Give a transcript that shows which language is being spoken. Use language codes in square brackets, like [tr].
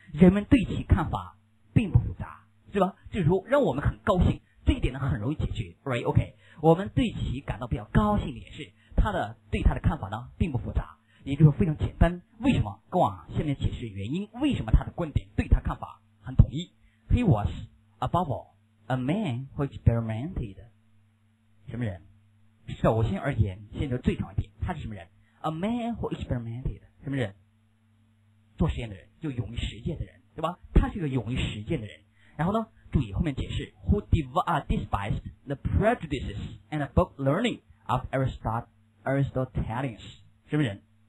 [zh] 人们对其看法并不复杂，是吧？就是说让我们很高兴，这一点呢很容易解决 ，right？ OK， 我们对其感到比较高兴也是。他的对他的看法呢并不复杂，也就是非常简单。为什么？跟我下面解释原因，为什么他的观点对他看法很统一。 [en] He was above all a man who experimented。 [zh] 什么人？首先而言，现在最重要一点，他是什么人？ [en] A man who experimented。 [zh] 什么人？做实验的人，就勇于实践的人，对吧？他是一个勇于实践的人。然后呢注意后面解释， [en] Who despised the prejudices and book learning of Aristotelians。 [zh] 什么人？